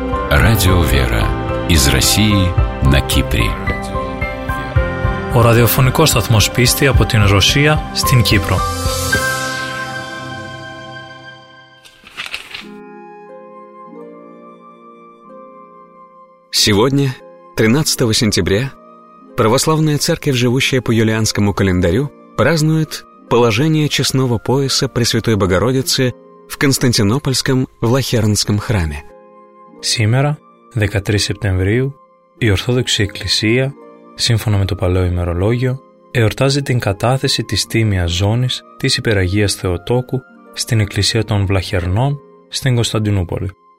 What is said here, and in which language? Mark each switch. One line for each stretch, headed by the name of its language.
Russian: Радио «Вера» из России на Кипре.
Greek: Ο ραδιοφωνικός σταθμός πίστη από την Ρωσία στην Κύπρο.
Russian: Сегодня, 13 сентября, православная церковь, живущая по юлианскому календарю, празднует положение честного пояса Пресвятой Богородицы в Константинопольском Влахернском храме.
Greek: Сегодня, 13 сентября, η Ορθόδοξη Εκκλησία, σύμφωνα με το παλαιό ημερολόγιο, εορτάζει την κατάθεση της τίμιας ζώνης της Υπεραγίας Θεοτόκου στην Εκκλησία των Βλαχερνών στην Κωνσταντινούπολη.